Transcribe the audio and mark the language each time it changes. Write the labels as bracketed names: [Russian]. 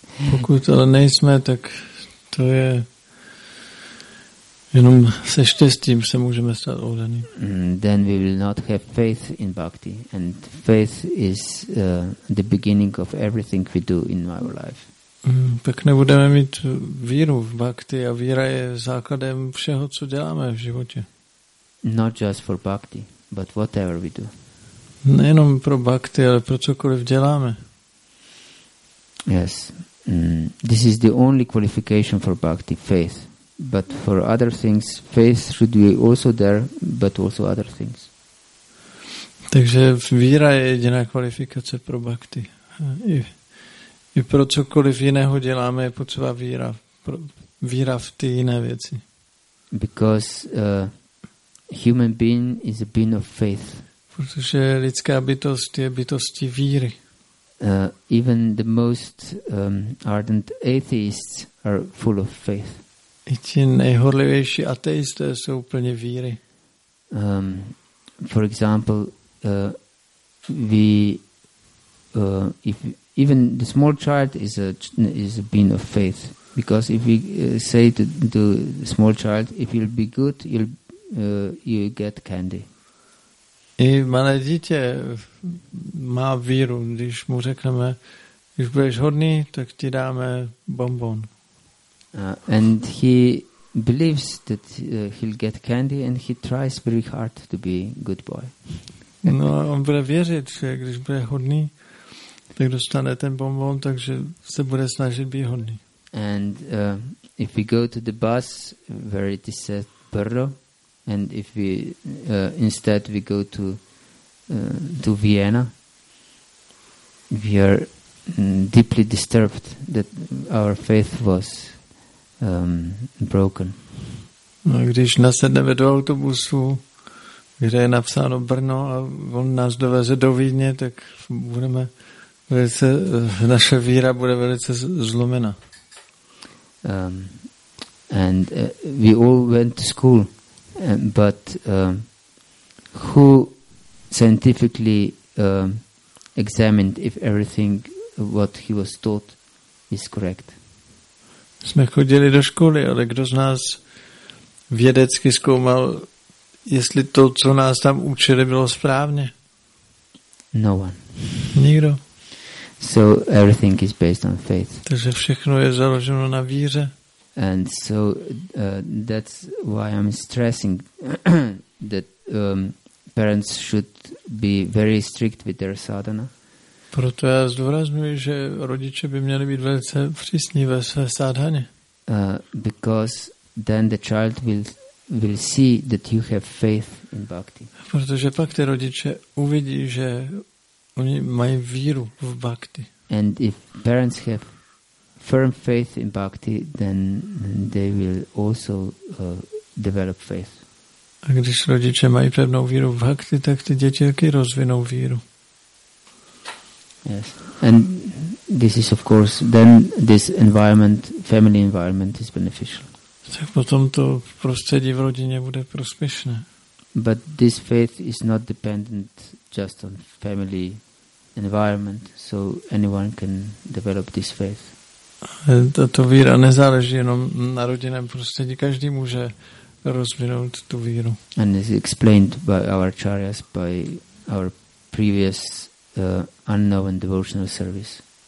[Czech] Pokud ale nejsme, tak to je jenom se štěstím se můžeme stát oddaný. [English] Then we will not have faith in bhakti, and faith is the beginning of everything we do in our life. [Czech] Tak nebudeme mít víru v bhakti a víra je základem všeho, co děláme v životě. [English] Not just for bhakti, but whatever we do. [Czech] Nejenom pro bhakti, ale pro cokoliv děláme. [English] Yes. This is the only qualification for bhakti, faith. But for other things, faith should be also there, but also other things. [Czech] Takže víra je jediná kvalifikace pro bhakti. I pro cokoliv jiného děláme, je potřeba víra. Víra v ty jiné věci. [English] Because human being is a being of faith. [Czech] Protože lidská bytost je bytostí víry. [English] Even the most ardent atheists are full of faith. [Czech] I ti nejhorlivější ateisté jsou plně víry. [English] For example, even the small child is a being of faith, because if we say to the small child, if you'll be good, you get candy. [Czech] I malé dítě má víru, když mu řekneme, když budeš hodný, tak ti dáme bonbon. [English] And he believes that he'll get candy, and he tries very hard to be good boy. [Czech] No, on bude věřit, že když bude hodný, tak dostane ten bonbon, takže se bude snažit být hodný. [English] And if we go to the bus where it is said Brno, and if we instead we go to Vienna, we are deeply disturbed that our faith was broken. [Czech] No, když nasedneme do autobusu, kde je napsáno Brno a on nás doveze do Vídně, tak budeme velice, naše víra bude velice zlomena. [English] And we all went to school. But who scientifically examined if everything what he was taught is correct? [Czech] Jsme chodili do školy, ale kdo z nás vědecky zkoumal, jestli to, co nás tam učili, bylo správně? [English] No one. [Czech] Nikdo. [English] So everything is based on faith. [Czech] Takže všechno je založeno na víře. [English] And so that's why I'm stressing that parents should be very strict with their sadhana. [Czech] Proto já zdůrazňuji, že rodiče by měli být velice přísní ve své sadhaně. [English] Because then the child will see that you have faith in bhakti. [Czech] Protože pak ty rodiče uvidí, že oni mají víru v bhakti. [English] And if parents have firm faith in bhakti, then they will also develop faith. [Czech] A když rodiče mají pevnou víru v bhakti, tak ty děti taky rozvinou víru. [English] Yes. And this is of course then this environment, family environment is beneficial. [Czech] Tak potom to prostředí v rodině bude prospěšné. [English] But this faith is not dependent just on family environment, so anyone can develop this faith. [Czech] Tato víra nezáleží jenom na rodinném prostředí. Každý může rozvinout tu víru. [English] And is explained by our acharyas, by our previous unknown devotional service.